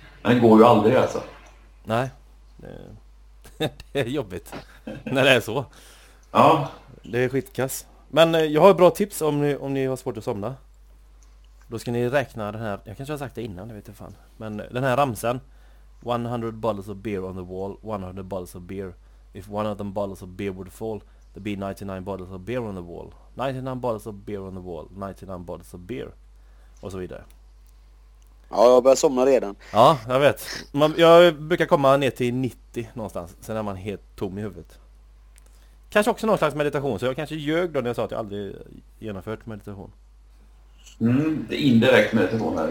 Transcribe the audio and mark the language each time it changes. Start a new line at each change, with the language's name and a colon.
Swedish: Men det går ju aldrig alltså. Nej. Det är jobbigt när det är så. Ja. Det är skitkass. Men jag har ett bra tips om ni har svårt att somna. Då ska ni räkna den här. Jag kanske har sagt det innan, det vet jag fan. Men den här ramsen.
English: 100 bottles of beer on the wall. 100 bottles of beer. If one of them bottles of beer would fall, there'd be 99 bottles of beer on the wall. 99 bottles of beer on the wall. 99 bottles of beer.
Swedish: Och så vidare. Ja, jag börjar somna redan. Ja, jag vet. Jag brukar komma ner till 90 någonstans. Sen är man helt tom i huvudet. Kanske också någon slags meditation. Så jag kanske ljög då när jag sa att jag aldrig genomfört meditation. Det är indirekt meditation här.